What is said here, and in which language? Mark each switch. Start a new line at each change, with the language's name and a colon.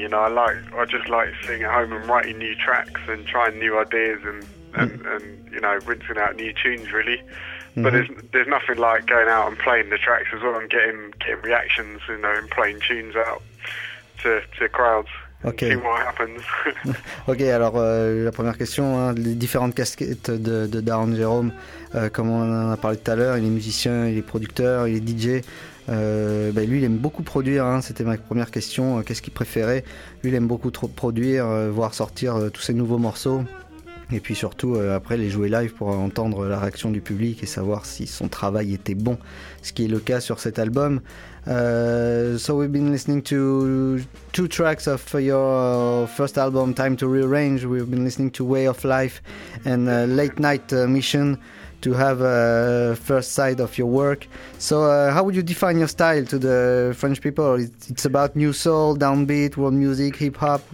English: You know, I just like sitting at home and writing new tracks and trying new ideas and you know, rinsing out new tunes, really. Mm-hmm. But there's nothing like going out and playing the tracks as well and getting reactions, you know, and playing tunes out to crowds. Okay. See what happens.
French: Ok, alors la première question, hein, les différentes casquettes de Daron Jerome, comme on en a parlé tout à l'heure, il est musicien, il est producteur, il est DJ. Bah, lui, il aime beaucoup produire, hein, c'était ma première question. Qu'est-ce qu'il préférait? Lui, il aime beaucoup trop produire, voir sortir tous ses nouveaux morceaux. Et puis surtout, après, les jouer live pour entendre la réaction du public et savoir si son travail était bon, ce qui est le cas sur cet album.
English: So we've been listening to two tracks of your first album, Time to Rearrange. We've been listening to Way of Life and Late Night Mission to have a first side of your work. So how would you define your style to the French people? It's about new soul, downbeat, world music, hip-hop.